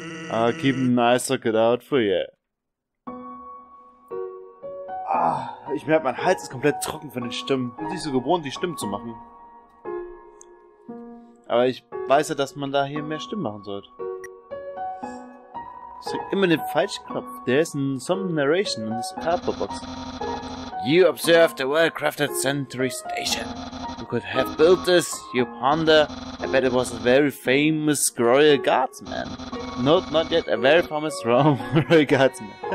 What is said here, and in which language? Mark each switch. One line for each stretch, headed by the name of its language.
English: I'll keep an eye socket out for you.
German: Ich merke, mein Hals ist komplett trocken von den Stimmen. Ich bin nicht so gewohnt, die Stimmen zu machen. Aber ich weiß ja, dass man da hier mehr Stimmen machen sollte. Ich sehe immer den falschen Knopf.
English: There is some narration in this cardboard box. You observe the well-crafted sentry station. You could have built this, you ponder. I bet it was a very famous royal guardsman. Not yet a very famous royal guardsman.